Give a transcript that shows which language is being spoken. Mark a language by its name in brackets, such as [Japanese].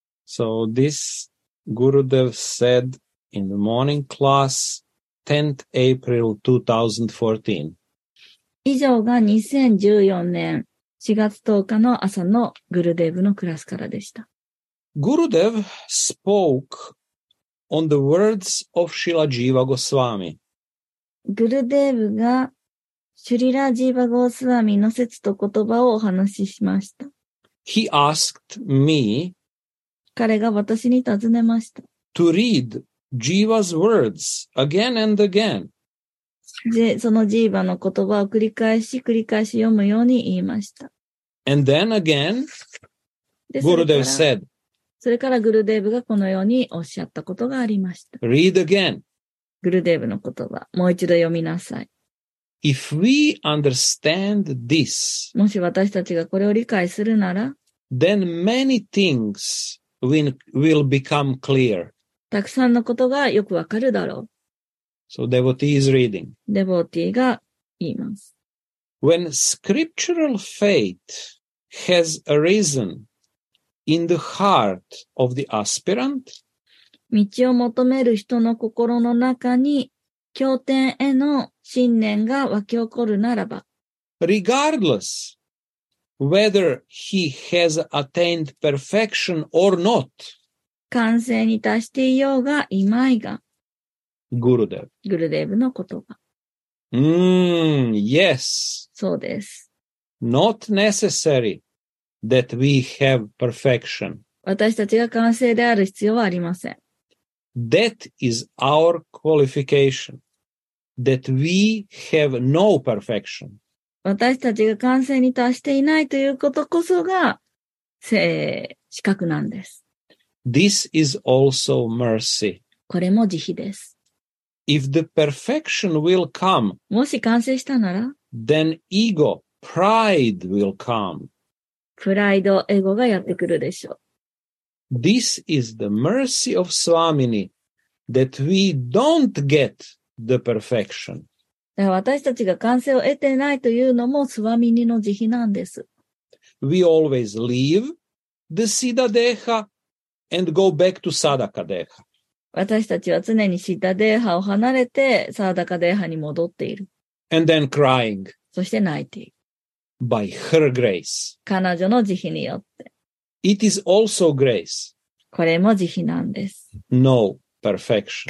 [English] So this Gurudev said in the morning class, 10th April 2014. [Japanese] 以上が2014年4月10日の朝のグルデーブのクラスからでした。 [English] Gurudev spoke on the words of Srila Jiva Goswami. [Japanese] グルデーブがシュリラ・ジーバ・ゴースワミの説と言葉をお話ししました。 [English] He asked me [Japanese] 彼が私に尋ねました。 [English] To read Jiva's words again and again. [Japanese] そのジーバの言葉を繰り返し繰り返し読むように言いました。 [English] And then again, Gurudev said. [Japanese] それからグルデーブがこのようにおっしゃったことがありました。 [English] Read again. [Japanese] グルデーブの言葉、もう一度読みなさい。 [English] If we understand this, [Japanese] もし私たちがこれを理解するなら、 [English] then many things will become clear. [Japanese] たくさんのことがよくわかるだろう。 [English] So devotee is reading. [Japanese] Devotee が言います。 [English] When scriptural faith has arisen in the heart of the aspirant, [Japanese] 道を求める人の心の中に経典への信念が湧き起こるならば、 [English] regardless whether he has attained perfection or not, [Japanese] 完成に達していようがいまいが、グルデーブの言葉。 [English] Yes. [Japanese] そうです。 [English] Not necessary that we have perfection. [Japanese] 私たちが完成である必要はありません。 [English] That is our qualification. That we have no perfection. [Japanese] 私たちが完成に達していないということこそが、資格なんです。 [English] This is also mercy. [Japanese] これも慈悲です。 [English] If the perfection will come, [Japanese] もし完成したなら、 [English] then ego, pride will come. [Japanese] プライド、エゴがやってくるでしょう。 [English] This is the mercy of Swamini that we don't get the perfection. [Japanese] だから私たちが完成を得てないというのもスワミニの慈悲なんです。 [English] We always leave the Siddha Deha and go back to Sadaka Deha. [Japanese] 私たちは常にシッダデーハを離れてサーダカデーハに戻っている。 [English] And then crying. [Japanese] そして泣いている。 [English] By her grace. [Japanese] 彼女の慈悲によって。 [English] It is also grace. [Japanese] これも慈悲なんです。 [English] No perfection.